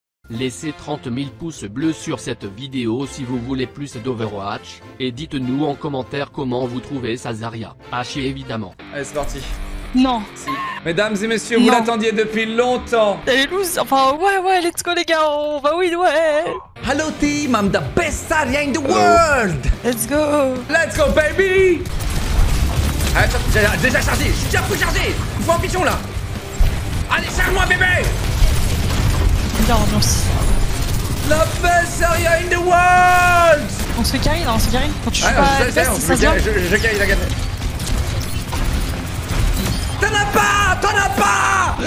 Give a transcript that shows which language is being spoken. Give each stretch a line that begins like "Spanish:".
French: Laissez 30 000 pouces bleus sur cette vidéo si vous voulez plus d'Overwatch, et dites-nous en commentaire comment vous trouvez Sazaria. Haché évidemment. Allez, c'est parti. Non. Si. Mesdames et messieurs, non. Vous l'attendiez depuis longtemps. Elle est loose. Enfin, ouais,
English: let's go
French: les gars, on va win, ouais.
English: Hello team, I'm the best Sazaria in the world. Let's go. Let's go baby.
French: Attends, j'ai déjà chargé, j'ai déjà plus chargé. Il faut un pigeon là. Allez, charge-moi bébé.
English: La best Saria in the world.
French: On se fait carry là, on se carry. T'en as pas, t'en as pas.